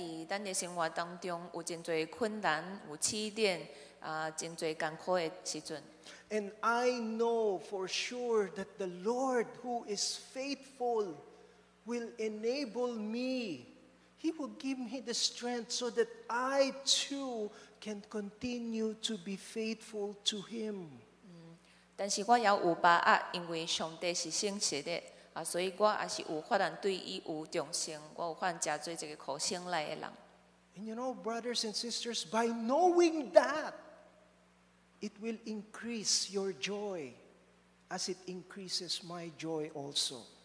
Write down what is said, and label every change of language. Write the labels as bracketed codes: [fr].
[en] And I know for sure that the Lord, who is faithful, will enable me. He will give me the strength so that I too can continue to be faithful to Him. [nan] 但是我也有把握，因为上帝是信实的，所以我也是有法能对伊有忠心，我有法能加做这个可信赖的人。 [en] And you know, brothers and sisters, by knowing that, it will increase your joy as it increases my joy also.